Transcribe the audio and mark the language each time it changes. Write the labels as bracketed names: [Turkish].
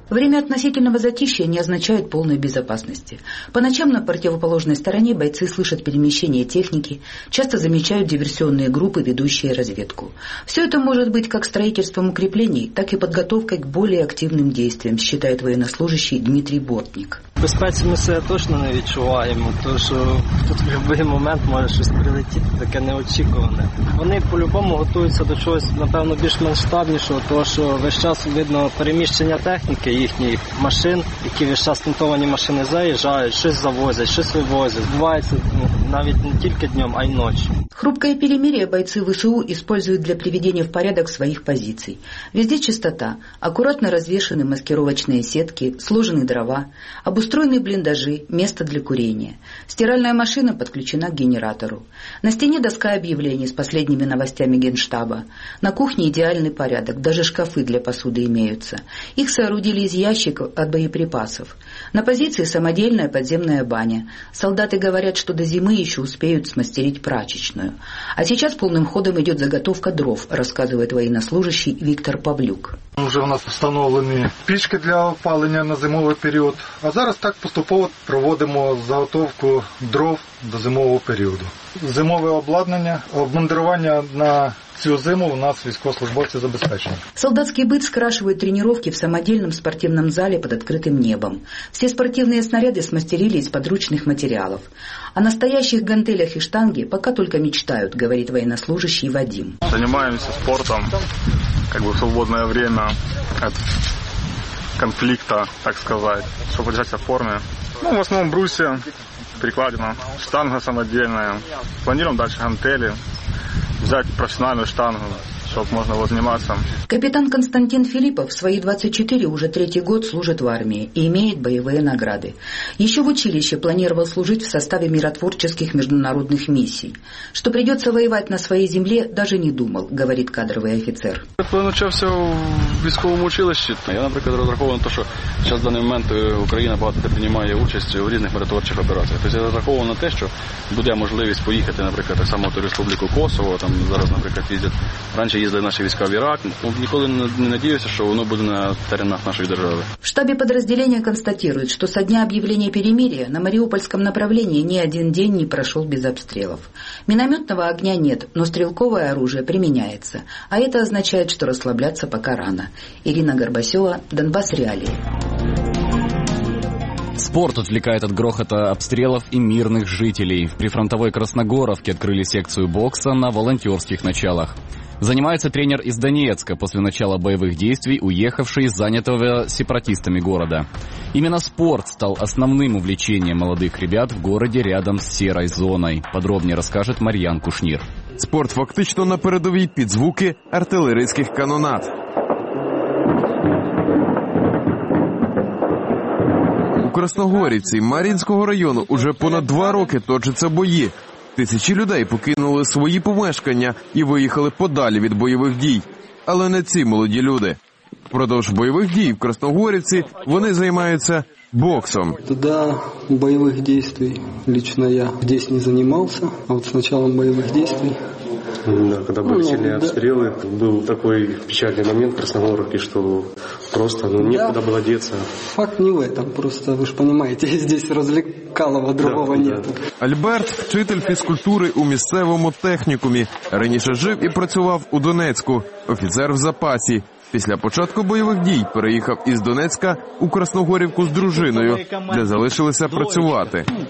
[Russian] Время относительного затишья не означает полной безопасности. По ночам на противоположной стороне бойцы слышат перемещение техники, часто замечают диверсионные группы, ведущие разведку. Все это может быть как строительством укреплений, так и подготовкой к более активным действиям, считает военнослужащий Дмитрий Бортник. [Ukrainian] Безпеці ми себе точно не відчуваємо, тож тут в будь-який момент може щось прилетіти, таке неочікуване. Вони по-любому готуються до чогось, напевно, більш масштабнішого, тому що весь час видно переміщення техніки їхніх машин, які весь час тентовані машини заїжджають, щось завозять, щось вивозять. Збувається навіть не тільки днем, а й ночі. [Russian] Хрупкое перемирие бойцы ВСУ используют для приведения в порядок своих позиций. Везде чистота, аккуратно развешаны маскировочные сетки, сложены дрова, обустроены блиндажи, место для курения. Стиральная машина подключена к генератору. На стене доска объявлений с последними новостями Генштаба. На кухне идеальный порядок, даже шкафы для посуды имеются. Их соорудили из ящиков от боеприпасов. На позиции самодельная подземная баня. Солдаты говорят, что до зимы еще успеют смастерить прачечную. А сейчас полным ходом идет заготовка дров, рассказывает военнослужащий Виктор Павлюк. Уже у нас установлены печки для опаления на зимовый период. [Ukrainian] А зараз так поступово проводимо заготовку дров до зимового периода. Зимовое обладнання, обмундирование на цю зиму у нас військовослужбовці забезпечені. [Russian] Солдатський быт скрашивает тренировки в самодельном спортивном зале под открытым небом. Все спортивные снаряды смастерили из подручных материалов. О настоящих гантелях и штанге пока только мечтают, говорит военнослужащий Вадим. Занимаемся спортом, как бы в свободное время от конфликта, так сказать, чтобы держаться в форме. Ну, в основном брусья, перекладина, штанга самодельная. Планируем дальше гантели. Взять профессиональную штангу, чтобы можно было заниматься. Капитан Константин Филиппов в свои 24 уже третий год служит в армии и имеет боевые награды. Еще в училище планировал служить в составе миротворческих международных миссий. Что придется воевать на своей земле, даже не думал, говорит кадровый офицер. Я начался в військовом училище. Я, например, рассчитываю на то, что сейчас в данный момент Украина много принимает участие в разных миротворческих операциях. То есть я рассчитываю на то, что будет возможность поехать, например, так само в Республику Косово, там сейчас, например, ездят. Раньше ездили наши войска в Ирак. [Ukrainian] Ніколи не надіюся, що воно буде на теренах нашої держави. В штабі підрозділення констатують, що со дня об'явлення перемир'я на маріупольському напрямі ні один день не пройшов без обстрілів. [Russian] Мінометного огня нет, но стрілкове оружие применяется. А это означает, что расслабляться пока рано. Ирина Горбасева, Донбас Реалии. Спорт отвлекает от грохота обстрелов и мирных жителей. При фронтовой Красногоровке открыли секцию бокса на волонтерских началах. Занимается тренер из Донецка, после начала боевых действий уехавший из занятого сепаратистами города. Именно спорт стал основным увлечением молодых ребят в городе рядом с серой зоной. Подробнее расскажет Марьян Кушнир. [Ukrainian] Спорт фактично на передовій під звуки артилерійських канонад. У Красногорівці Мар'їнського району уже понад два роки точаться бої. Тисячі людей покинули свої помешкання і виїхали подалі від бойових дій. Але не ці молоді люди. Впродовж бойових дій в Красногорівці вони займаються боксом. Тоді бойових дій, лично я десь не займався, а от з початком бойових дій. [Russian] Да, когда были сильные обстрелы, был такой печальный момент в Красногоровке, что просто некуда было деться. Факт не в этом, просто вы же понимаете, здесь развлекалово другого нет. [Ukrainian] Альберт – вчитель фізкультури у місцевому технікумі. Раніше жив і працював у Донецьку. Офіцер в запасі. Після початку бойових дій переїхав із Донецька у Красногорівку з дружиною, де залишилися працювати.